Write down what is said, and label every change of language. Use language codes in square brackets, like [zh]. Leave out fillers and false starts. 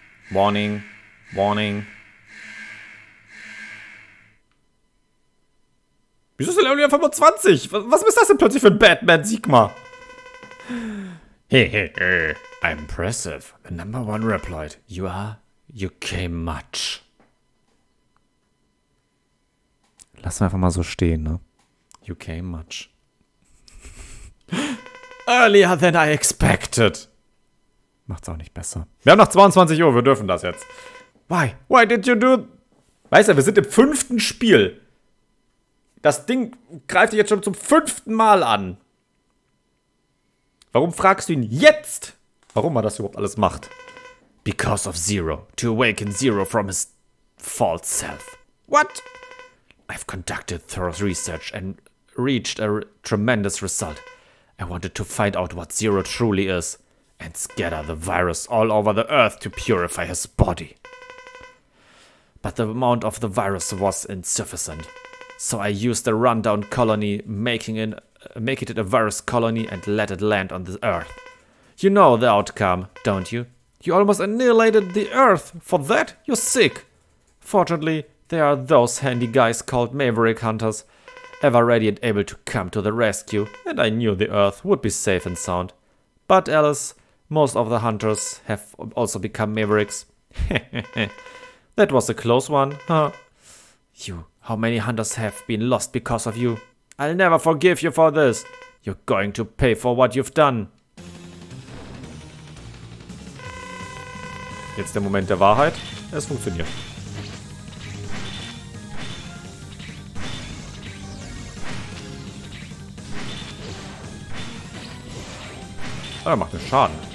[en] Warning, warning. [de] Wieso ist der Level 25? Was ist das denn plötzlich für ein Batman Sigma? [en] Hehehe, impressive. The number one replied, you are, you came much. [de] Lass mir einfach mal so stehen, ne? [en] You came much. Earlier than I expected. [de] Macht's auch nicht besser. Wir haben noch 22 Uhr, wir dürfen das jetzt. [en] Why? Why did you do... [de] Weißt du, wir sind im fünften Spiel. Das Ding greift dich jetzt schon zum fünften Mal an. Warum fragst du ihn jetzt, warum er das überhaupt alles macht? [en] Because of Zero. To awaken Zero from his false self. What? I've conducted thorough research and reached a tremendous result. I wanted to find out what Zero truly is and scatter the virus all over the earth to purify his body. But the amount of the virus was insufficient. So I used a rundown colony making it a virus colony and let it land on the earth. You know the outcome, don't you? You almost annihilated the earth. For that, you're sick. Fortunately, there are those handy guys called Maverick Hunters, ever ready and able to come to the rescue, and I knew the earth would be safe and sound. But Alice, most of the hunters have also become Mavericks. That was a close one, huh? You, how many hunters have been lost because of you? I'll never forgive you for this. You're going to pay for what you've done. [de] Jetzt der Moment der Wahrheit. Es funktioniert. Ah, er macht mir Schaden.